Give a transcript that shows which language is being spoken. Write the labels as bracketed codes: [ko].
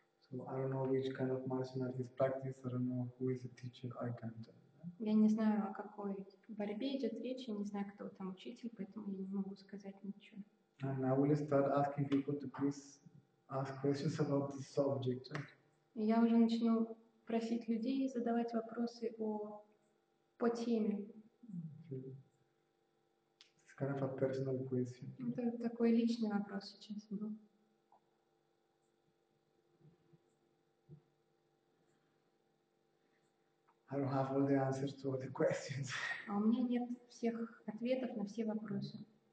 [en] So I don't know which kind of martial art is practiced. I don't know who is the teacher. I can't tell. [ru] Я не знаю, о какой борьбе идет речь. Я не знаю, кто там учитель, поэтому я не могу сказать ничего. [en] And I will start asking people to please ask questions about this subject. [ru] Я уже начну просить людей задавать вопросы по теме. [en] It's kind of a personal question. [ru] Это такой личный вопрос сейчас был. [en] I don't have all the answers to all the questions. [ru] А у меня нет всех ответов на все вопросы.